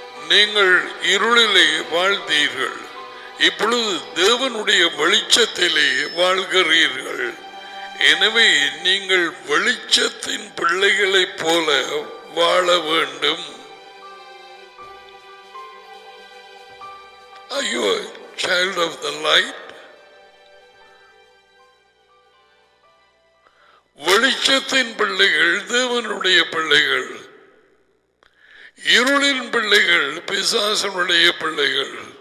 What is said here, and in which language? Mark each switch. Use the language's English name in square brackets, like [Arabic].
[Tamil] நீங்கள் இருளிலே வாழ்ந்தீர்கள். இப்பொழுது தேவனுடைய வெளிச்சத்திலே வாழ்கிறீர்கள். எனவே நீங்கள் வெளிச்சத்தின் பிள்ளைகளை போல வாழ வேண்டும். [English] Are you a child of the light? [Tamil] வெளிச்சத்தின் பிள்ளைகள் தேவனுடைய பிள்ளைகள், இருளின் பிள்ளைகள் பிசாசனுடைய பிள்ளைகள்.